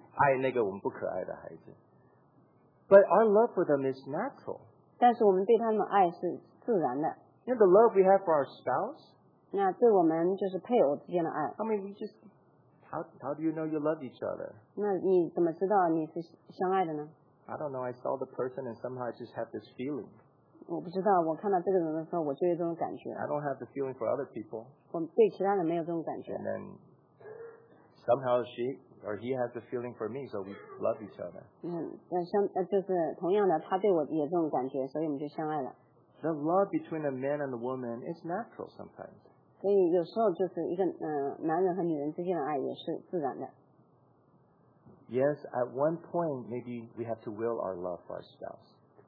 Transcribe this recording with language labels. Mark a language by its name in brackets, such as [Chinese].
[Chinese] 但是就是有时候到一个地步我们要很刻意的努力的去爱那个我们不可爱的孩子 [English] But our love for them is natural. [Chinese] 但是我们对他们的爱是自然的。 [English] You know the love we have for our spouse? [Chinese] 那对我们就是配偶之间的爱。 [English] I mean we just how do you know you love each other? [Chinese] 那你怎么知道你是相爱的呢? [English] I don't know, I saw the person and somehow I just have this feeling. [Chinese] 我不知道，我看到这个人的时候，我就有这种感觉。 [English] I don't have the feeling for other people. [Chinese] 我对其他人没有这种感觉。 [English] And then somehow she or he has the feeling for me, so we love each other. [Chinese] 嗯，那相就是同样的，他对我也这种感觉，所以我们就相爱了。 [English] The love between a man and a woman is natural sometimes. [Chinese] 所以有时候就是一个男人和女人之间的爱也是自然的。 [English] Yes, at one point maybe we have to will our love for our spouse.